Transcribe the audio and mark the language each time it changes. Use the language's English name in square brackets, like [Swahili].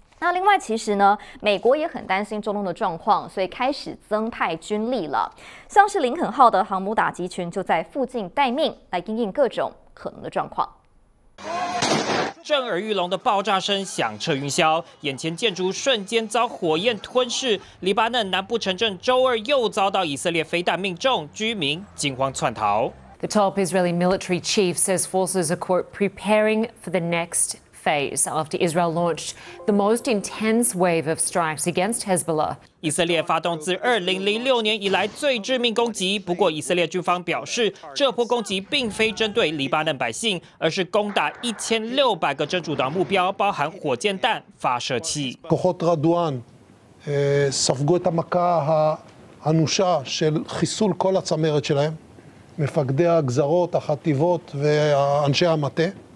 [Chinese] 那另外其实呢美国也很担心中东的状况，所以开始增派军力了，像是林肯号的航母打击群就在附近待命，来因应各种可能的状况。震耳欲聋的爆炸声响彻云霄，眼前建筑瞬间遭火焰吞噬，黎巴嫩南部城镇周二又遭到以色列飞弹命中，居民惊慌窜逃。 [English] The top Israeli military chief says forces are quote preparing for the next phase after Israel launched the most intense wave of strikes against Hezbollah。 [Chinese] 以色列发动自2006年以来最致命攻击，不过以色列军方表示这波攻击并非针对黎巴嫩百姓，而是攻打1600个真主党目标，包含火箭弹发射器。 [Hebrew] כוחות רדואן ספגו את המכה האנושה של חיסול כל הצמרת שלהם, מפקדי הגזרות, החטיבות ואנשי המטה.